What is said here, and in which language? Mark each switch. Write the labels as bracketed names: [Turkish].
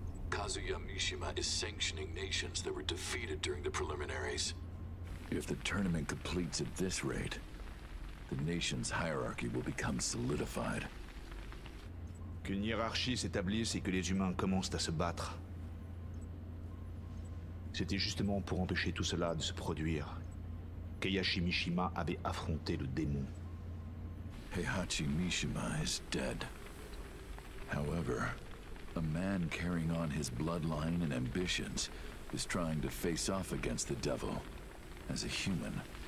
[English] Kazuya Mishima is sanctioning nations that were defeated during the preliminaries. If the tournament completes at this rate, the nation's hierarchy will become solidified. [French] Qu'une hiérarchie s'établisse et que les humains commencent à se battre. C'était justement pour empêcher tout cela de se produire qu'Heihachi Mishima avait affronté le démon. [English] Heihachi Mishima is dead. However, a man carrying on his bloodline and ambitions is trying to face off against the devil as a human.